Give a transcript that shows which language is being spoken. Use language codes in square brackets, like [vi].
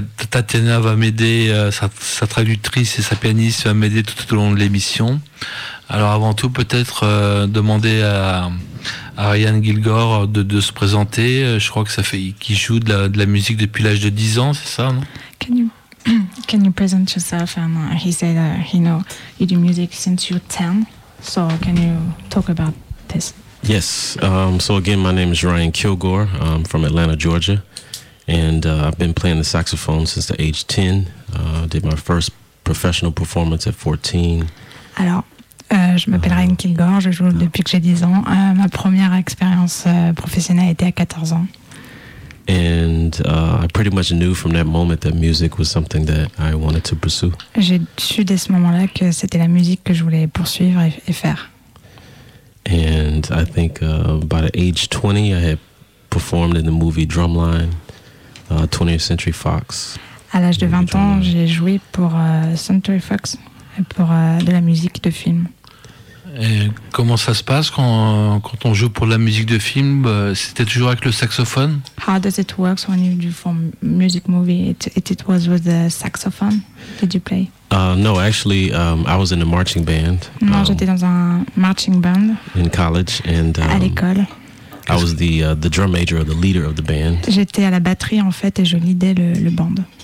[fr] Tatiana va m'aider, sa traductrice et sa pianiste va m'aider tout au long de l'émission. Alors avant tout, peut-être demander à Ryan Kilgore de se présenter. Je crois que ça fait qu'il joue de la musique depuis l'âge de 10 ans, c'est ça, non? [en] Can you present yourself? And he said that you do music since you're 10. So can you talk about this? Yes. So again, my name is Ryan Kilgore. I'm from Atlanta, Georgia. And I've been playing the saxophone since the age 10. Did my first professional performance at 14. [fr] Je m'appelle Ryan Kilgore. Je joue depuis que j'ai 10 ans. Ma première expérience professionnelle était à 14 ans. [en] And I pretty much knew from that moment that music was something that I wanted to pursue. [fr] J'ai su dès ce moment-là que c'était la musique que je voulais poursuivre et faire. [en] And I think by the age 20, I had performed in the movie Drumline, 20th Century Fox. [fr] À l'âge de 20 ans, j'ai joué pour Century Fox, pour de la musique de film. Et comment ça se passe quand on joue pour la musique de film? C'était toujours avec le saxophone? [en] How does it work when you do for music movie? It was with the saxophone? Did you play? No, actually, I was in a marching band. [fr] Non, j'étais dans un marching band. [en] In college. [fr] À l'école. [en] I was the drum major or the leader of the band. [fr] J'étais à la batterie en fait et je leadais le band.